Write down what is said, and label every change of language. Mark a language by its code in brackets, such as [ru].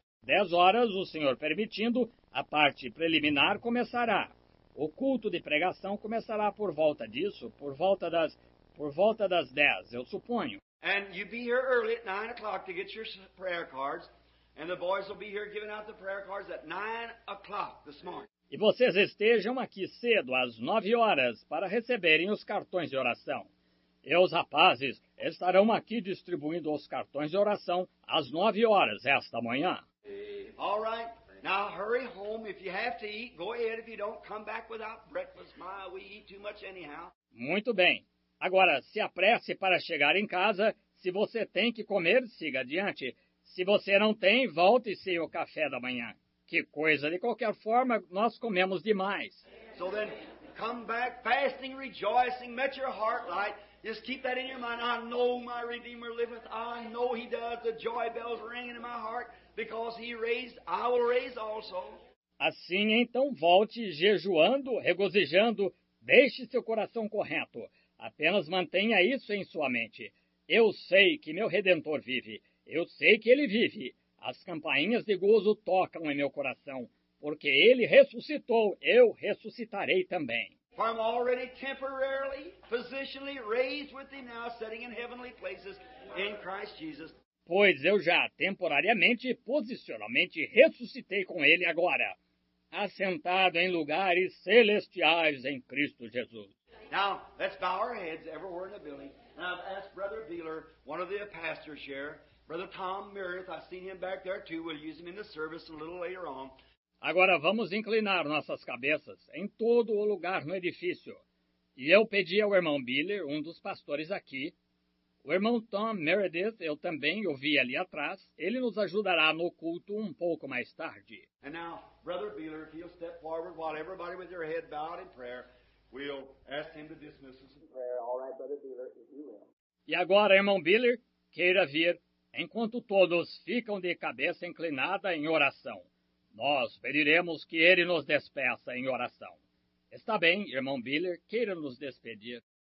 [pt] 10 horas, o Senhor permitindo, a parte preliminar começará. O culto de pregação começará por volta disso, por volta das 10, eu suponho. [en] And you be here early at 9 o'clock to get your prayer cards. And the boys will be here giving out the prayer cards at 9 o'clock this morning. [pt] E vocês estejam aqui cedo, às 9 horas, para receberem os cartões de oração. E os rapazes estarão aqui distribuindo os cartões de oração às 9 horas esta manhã. [en] All right. Now hurry home. If you have to eat, go ahead. If you don't, come back without breakfast. My, we eat too much anyhow. [pt] Muito bem. Agora, se apresse para chegar em casa. Se você tem que comer, siga adiante. Se você não tem, volte sem o café da manhã. Que coisa, de qualquer forma, nós comemos demais. [en] So then, come back fasting, rejoicing, met your heart light, Just keep that in your mind. I know my Redeemer liveth. I know He does. The joy bells ringing in my heart because He raised. I will raise also. [pt] Assim, então, volte jejuando, regozijando. Deixe seu coração correto. Apenas mantenha isso em sua mente. Eu sei que meu Redentor vive. Eu sei que Ele vive. As campainhas de gozo tocam em meu coração. Porque Ele ressuscitou, eu ressuscitarei também. [en] I'm already temporarily, positionally raised with Thee now, sitting in heavenly places in Christ Jesus. [pt] Pois eu já temporariamente, posicionalmente ressuscitei com Ele agora, assentado em lugares celestiais em Cristo Jesus. [en] Now, let's bow our heads everywhere in the building. And I've asked Brother Beeler, one of the pastors here, Brother Tom Meredith, I've seen him back there too, we'll use him in the service a little later on. [pt] Agora vamos inclinar nossas cabeças em todo o lugar no edifício. E eu pedi ao irmão Biller, um dos pastores aqui, o irmão Tom Meredith, eu também o vi ali atrás, ele nos ajudará no culto um pouco mais tarde. [en] And now, Brother Biller, if you'll step forward while everybody with your head bowed in prayer, we'll ask him to dismiss us in prayer. All right, Brother Biller, if you will. [pt] E agora, irmão Biller, queira vir, enquanto todos ficam de cabeça inclinada em oração. Nós pediremos que ele nos despeça em oração. Está bem, irmão Biller, queira nos despedir.